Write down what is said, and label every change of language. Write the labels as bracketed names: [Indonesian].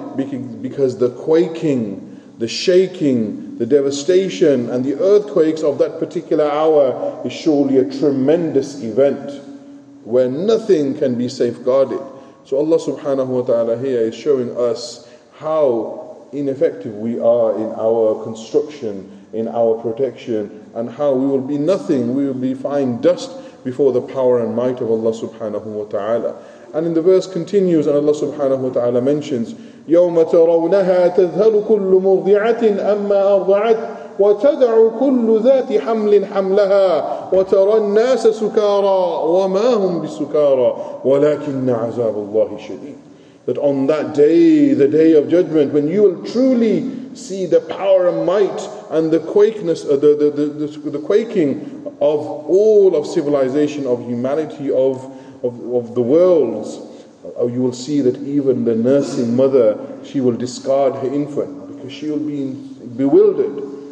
[English] Because the quaking, the shaking, the devastation and the earthquakes of that particular hour is surely a tremendous event where nothing can be safeguarded. So Allah subhanahu wa ta'ala here is showing us how ineffective we are in our construction, in our protection, and how we will be nothing, we will be fine dust before the power and might of Allah subhanahu wa ta'ala. And in the verse continues, and Allah subhanahu wa ta'ala mentions, [Arabic] يَوْمَ تَرَوْنَهَا تَذْهَلُ كُلُّ مُرْضِعَةٍ أَمَّا أَرْضَعَتْ وَتَدْعُ كُلُّ ذَاتِ حَمْلٍ حَمْلَهَا وَتَرَى النَّاسَ سُكَارَى وَمَا هُمْ بِسُكَارَى وَلَكِنَّ عَزَابُ اللَّهِ شَدِيدٍ. [English] That on that day, the day of judgment, when you will truly see the power and might and the quakeness, the quaking of all of civilization, of humanity, of the worlds, you will see that even the nursing mother, she will discard her infant because she will be bewildered.